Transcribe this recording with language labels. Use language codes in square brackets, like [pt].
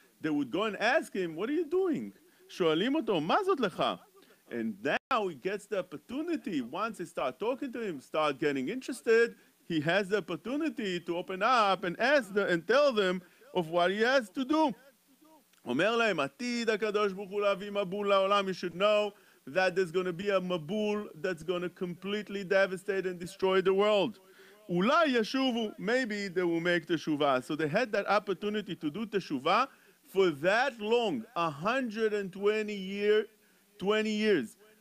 [en] They would go and ask him, what are you doing? [he] Shoalim oto, ma zot lecha? [en] And now he gets the opportunity. Once they start talking to him, start getting interested, he has the opportunity to open up and ask them and tell them of what he has to do. [he] אומר להם, עתיד הקדוש ברוך הוא להביא מבול לעולם. [en] You should know that there's going to be a mabul that's going to completely devastate and destroy the world. [he] אולי ישובו, [en] maybe they will make teshuva. So they had that opportunity to do teshuva for that long, 120 years.